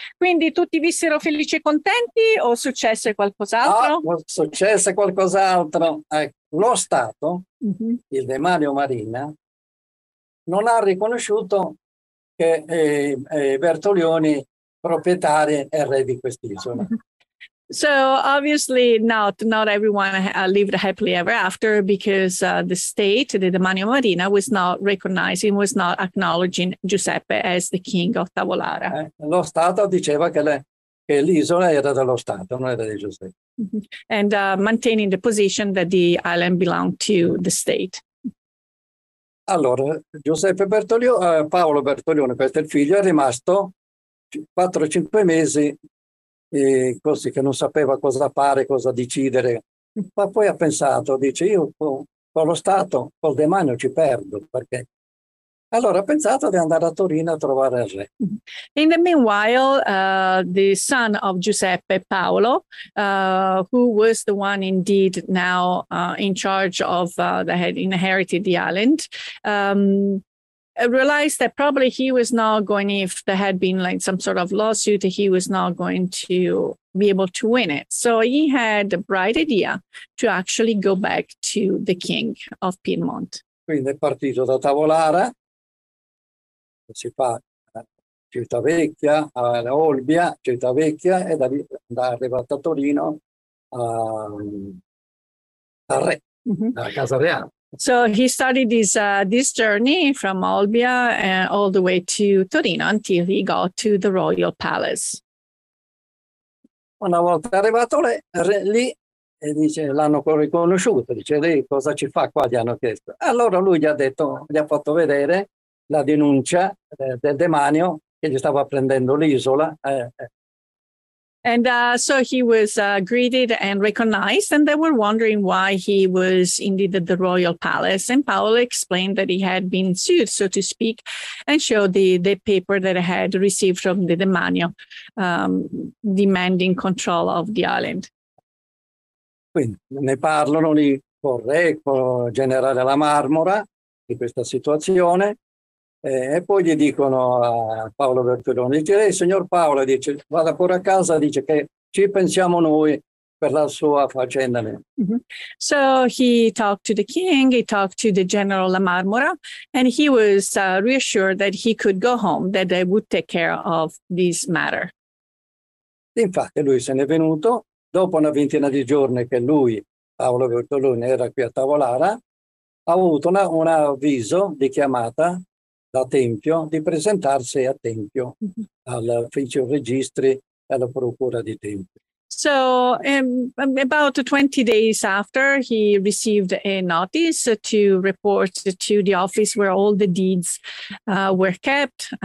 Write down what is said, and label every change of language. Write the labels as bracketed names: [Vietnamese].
[Italian] Quindi tutti vissero felici e contenti o successe qualcos'altro? Oh, successe qualcos'altro. Lo Stato, mm-hmm. il demanio Marina, non ha riconosciuto che Bertolioni proprietario e re di quest'isola. [English] So obviously not everyone lived happily ever after, because the state, the Demanio Marina, was not recognizing, was not acknowledging Giuseppe as the king of Tavolara. [Italian] Lo Stato diceva che l'isola era dello Stato, non era di Giuseppe. [English] And maintaining the position that the island belonged to the state. [Italian] Allora, Giuseppe Paolo Bertolioni, questo è il figlio, è rimasto 4-5 mesi, così, che non sapeva cosa fare, cosa decidere, ma poi ha pensato, dice, io con lo Stato, col demanio ci perdo, perché... Allora ha pensato di andare a Torino a trovare il re. [English] In the meanwhile, the son of Giuseppe Paolo, who was the one indeed now in charge of, that had inherited the island, realized that probably he was not going, if there had been like some sort of lawsuit, he was not going to be able to win it. So he had a bright idea to actually go back to the king of Piedmont. [Italian] Quindi è partito da Tavolara, si fa Civitavecchia, Olbia, Civitavecchia, e da lì è arrivato a Torino, a re, alla Casa Reale. [English] So he started this journey from Olbia all the way to Torino until he got to the royal palace. [Italian] Una volta arrivato lì, e dice, l'hanno riconosciuto, dice, lei cosa ci fa qua, gli hanno chiesto. Allora lui gli ha fatto vedere la denuncia del demanio che gli stava prendendo l'isola. [English] And so he was greeted and recognized, and they were wondering why he was indeed at the royal palace. And Paolo explained that he had been sued, so to speak, and showed the paper that he had received from the demanio, demanding control of the island. [Italian] Quindi ne parlano lì con re, con generale La Marmora, di questa situazione. E poi gli dicono a Paolo Bertolioni, dice, lei, signor Paolo, dice, vada pure a casa, dice che ci pensiamo noi per la sua faccenda. Mm-hmm. [English] So he talked to the king, he talked to the general La Marmora, and he was reassured that he could go home, that they would take care of this matter. [Italian] Infatti lui se n'è venuto, dopo una ventina di giorni che lui, Paolo Bertolioni, era qui a Tavolara, ha avuto un avviso di chiamata da Tempio, di presentarsi a Tempio, all'ufficio registri e alla procura di Tempio. [English] So, about 20 days after, he received a notice to report to the office where all the deeds were kept.